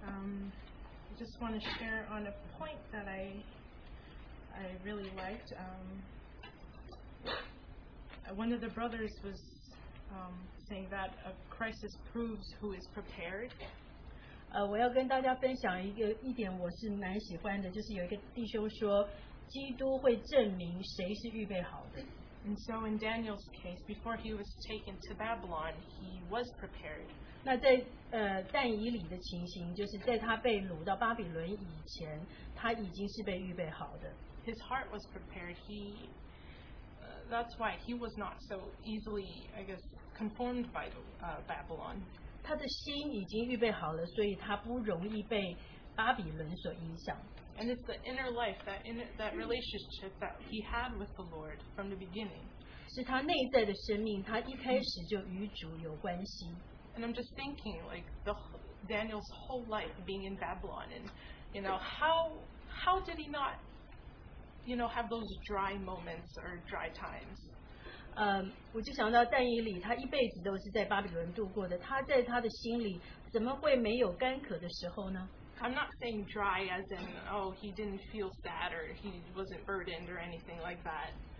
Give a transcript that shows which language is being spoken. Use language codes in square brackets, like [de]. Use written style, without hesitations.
[en] I just want to share on a point that I really liked. One of the brothers was saying that a crisis proves who is prepared. [zh] 我要跟大家分享一个一点，我是蛮喜欢的，就是有一个弟兄说，基督会证明谁是预备好的。 [en] And so in Daniel's case, before he was taken to Babylon, he was prepared. [zh] 那在但以理的情形，就是在他被掳到巴比伦以前，他已经是被预备好的。 [en] His heart was prepared. He, that's why he was not so easily, I guess, conformed by Babylon. [zh] 他的心已经预备好了，所以他不容易被 [en] And it's the inner life, that in that relationship that he had with the Lord from the beginning. And I'm just thinking, like, the Daniel's whole life being in Babylon, and, you know, how did he not, you know, have those dry moments or dry times? [zh] 我就想到但以理他一辈子都是在巴比伦度过的，他在他的心里怎么会没有干渴的时候呢？ [en] I'm not saying dry as in, oh, he didn't feel sad or he wasn't burdened or anything like that.